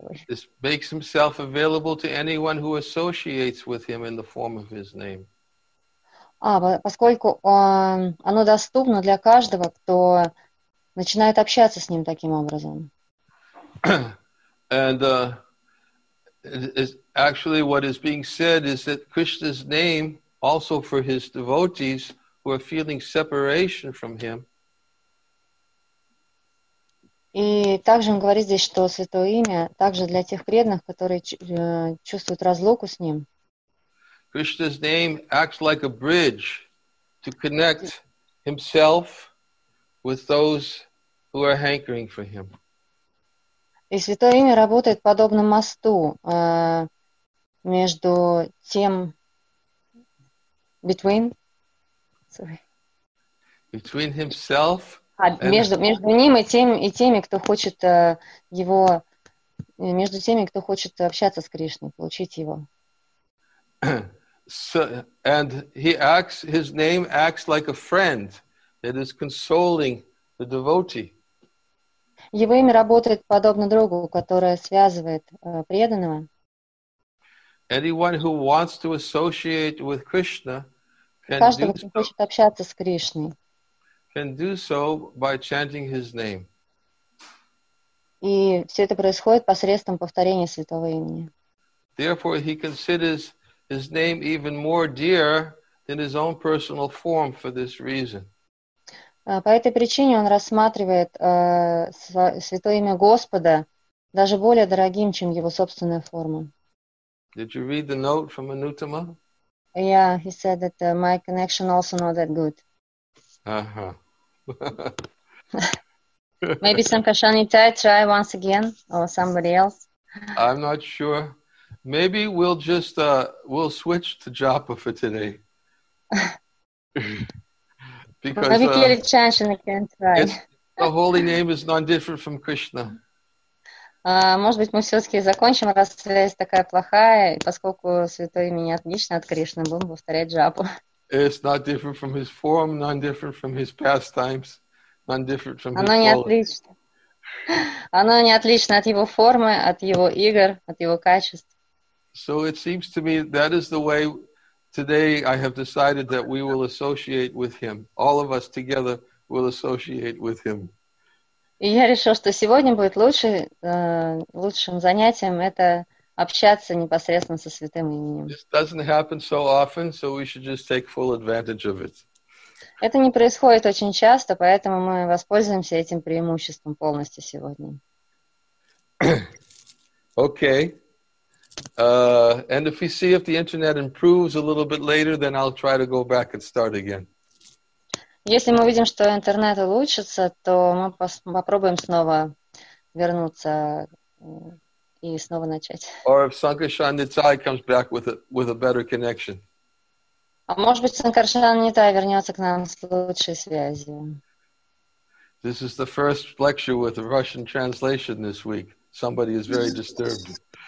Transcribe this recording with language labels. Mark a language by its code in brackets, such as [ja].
[en] This makes himself available to anyone who associates with him in the form of his name. [ru] Поскольку оно доступно для каждого, кто начинает общаться с ним таким образом. [en] And actually what is being said is that Krishna's name, also for his devotees who are feeling separation from him, [ru] и также он говорит здесь, что Святое Имя также для тех преданных, которые чувствуют разлуку с Ним. [en] Krishna's name acts like a bridge to connect himself with those who are hankering for him. [ru] И Святое Имя работает подобно мосту между тем, [en] between himself. [ru] Между ним и теми, кто хочет его, между теми, кто хочет общаться с Кришной, получить его. [en] So, and his name acts like a friend that is consoling the devotee. [ru] Его имя работает подобно другу, которое связывает преданного. [en] Anyone who wants to associate with Krishna can [ru] каждый, кто хочет общаться с Кришной, [en] can do so by chanting his name. [ru] И все это происходит посредством повторения святого имени. [en] Therefore, he considers his name even more dear than his own personal form for this reason. [ru] По этой причине он рассматривает святое имя Господа даже более дорогим, чем его собственная форма. [en] Did you read the note from Anuttama? Yeah, he said that my connection also not that good. Uh-huh. Maybe some Kashanita try once again or somebody else. I'm not sure. Maybe we'll just we'll switch to Japa for today. Because maybe get a chance and I can try. The holy name is not different from Krishna. [ru] Может быть, мы все-таки закончим, раз связь такая плохая, поскольку святое имя не отлично от Кришны, будем повторять Джапу. [en] It's not different from his form, not different from his pastimes, not different from [ru] оно [en] his [ru] не отлично. Оно не отлично от его формы, от его игр, от его качеств. [en] So it seems to me that is the way today I have decided that we will associate with him. All of us together will associate with him. [ru] И я решил, что сегодня будет лучшим занятием это общаться непосредственно со святым именем. [en] This doesn't happen so often, so we should just take full advantage of it. [ru] Это не происходит очень часто, поэтому мы воспользуемся этим преимуществом полностью сегодня. [en] Okay. And if we see if the internet improves a little bit later, then I'll try to go back and start again. [ru] Если мы видим, что интернет улучшится, то мы попробуем снова вернуться и снова начать. [en] Or if Sankarshan Nitai comes back with a better connection. [ru] А может быть, Sankarshan Nitai вернется к нам с лучшей связью. [en] This is the first lecture with a Russian translation this week. Somebody is very disturbed.